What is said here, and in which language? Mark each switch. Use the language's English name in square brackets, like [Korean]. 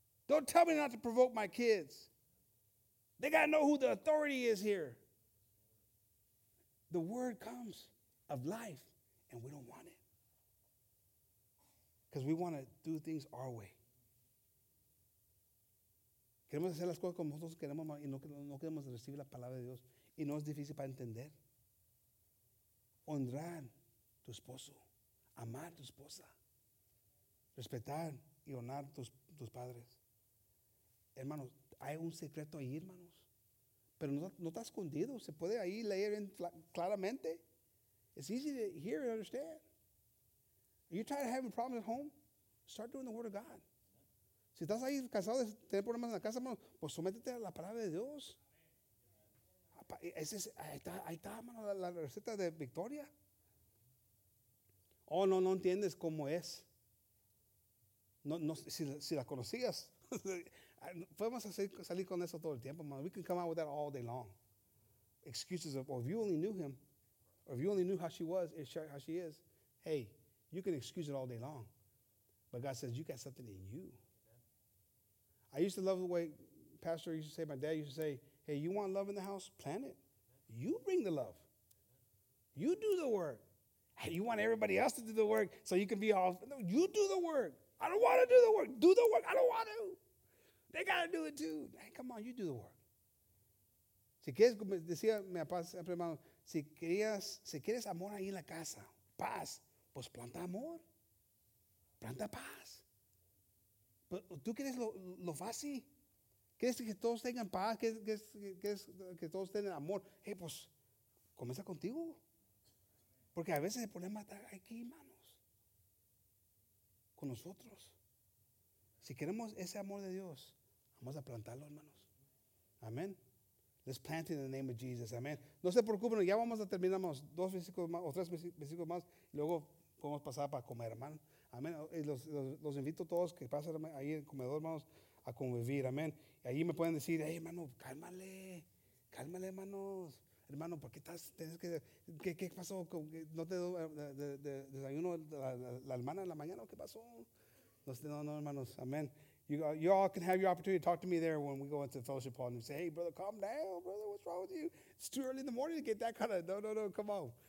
[English] Don't tell me not to provoke my kids. They got to know who the authority is here. The word comes of life, and we don't want it. Because we want to do things our way. [Spanish] Queremos hacer las cosas como nosotros queremos, y no queremos recibir la palabra de Dios. Y no es difícil para entender. Honrar tu esposo. amar tu esposa, respetar y honrar tus padres. Hermanos, hay un secreto ahí, hermanos. Pero no está escondido. Se puede ahí leer claramente. [English] It's easy to hear and understand. Are you tired of having problems at home? Start doing the Word of God. [Spanish] Si estás ahí cansado de tener problemas en la casa, hermanos, pues sométete a la palabra de Dios. Ahí está, hermano, la receta de victoria. Oh, no entiendes cómo es. No, si la conocías. Podemos salir con eso todo el tiempo, hermano. [English] We can come out with that all day long. Excuses of, well, if you only knew him, or if you only knew how she was, how she is, hey, you can excuse it all day long. But God says, you got something in you. I used to love the way Pastor used to say, my dad used to say, hey, you want love in the house? Plant it. You bring the love. You do the work. Hey, you want everybody else to do the work so you can be off. No, you do the work. I don't want to do the work. Do the work. I don't want to. They got to do it too. Hey, come on, you do the work. [Spanish] Si quieres, decía mi papá siempre, hermano, si quieres amor ahí en la casa, paz, pues planta amor. Planta paz. Pero tú quieres lo fácil. ¿Quieres que todos tengan paz? ¿Quieres que todos tengan amor? Hey, pues, comienza contigo. Porque a veces el problema está aquí, hermanos. Con nosotros. Si queremos ese amor de Dios, vamos a plantarlo, hermanos. Amén. [English] Let's plant it in the name of Jesus. [Spanish] Amén. No se preocupen, ya vamos a terminar más. Dos versículos más, o tres versículos más. Y luego podemos pasar para comer, hermano. Amén. Los invito a todos que pasen ahí en el comedor, hermanos, a convivir, amén. Y ahí me pueden decir, hey, hermano, cálmale, hermanos. Hermano, ¿por qué estás? Tienes que, ¿qué pasó? ¿No te doy desayuno la hermana en la mañana? ¿Qué pasó? No, hermanos, amén. [English] You all can have your opportunity to talk to me there when we go into the fellowship hall and you say, hey, brother, calm down, brother, what's wrong with you? It's too early in the morning to get that kind of, no, come on.